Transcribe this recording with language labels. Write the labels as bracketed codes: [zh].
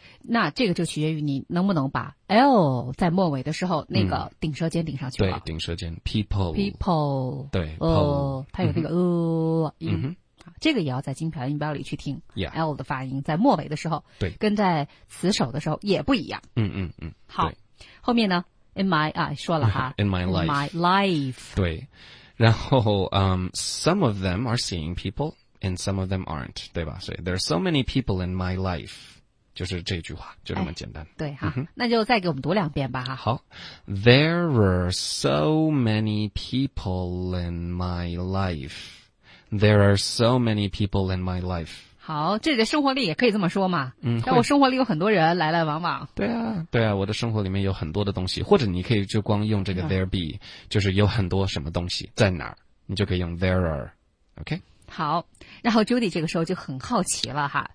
[zh] 那这个就取决于你能不能把 l 在末尾的时候那个顶舌尖顶上去了。对，顶舌尖 people， 对，它有那个音。这个也要在金牌音标里去听，L 的发音在末尾的时候，对，跟在词首的时候也不一样。好，后面呢 ？In my 啊，说了哈 [en] ，In my life， [zh] 对，然后 [en] some of them are seeing people and some of them aren't， 对吧？ [zh] 所以 [en] there are so many people in my life， [zh] 就是这句话，就这么简单。对哈，那就再给我们读两遍吧哈。 [en] 好 ，There are so many people in my life。 There are so many people in my life。 [zh] 好，这里的生活里也可以这么说嘛。嗯，在我生活里有很多人来来往往。对啊，对啊，我的生活里面有很多的东西，或者你可以就光用这个 there be， 就是有很多什么东西在哪儿，你就可以用 there are。OK。好，然后 Judy 这个时候就很好奇了哈。